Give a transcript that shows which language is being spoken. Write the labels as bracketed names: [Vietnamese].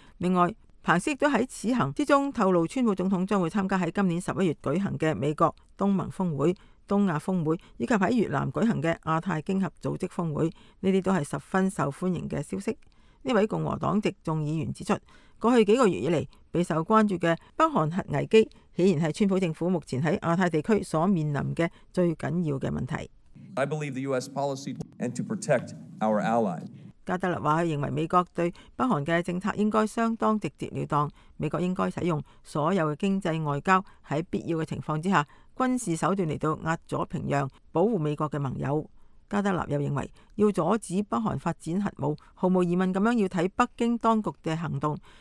[Chinese] 另外，彭斯都在此行之中透露，川普总统将会参加在今年11月举行的美国东盟峰会、东亚峰会，以及在越南举行的亚太经合组织峰会，这些都是十分受欢迎的消息。这位共和党籍众议员指出，过去几个月以来备受关注的北韩核危机，显然是川普政府目前在亚太地区所面临的最紧要的问题。 [English] I believe the US policy and to protect our allies. [Chinese] 加德勒說，他認為美國對北韓的政策應該相當直接了當，美國應該使用所有的經濟外交，在必要的情況之下軍事手段來到壓阻平壤，保護美國的盟友。加德勒又認為，要阻止北韓發展核武，毫無疑問地要看北京當局的行動。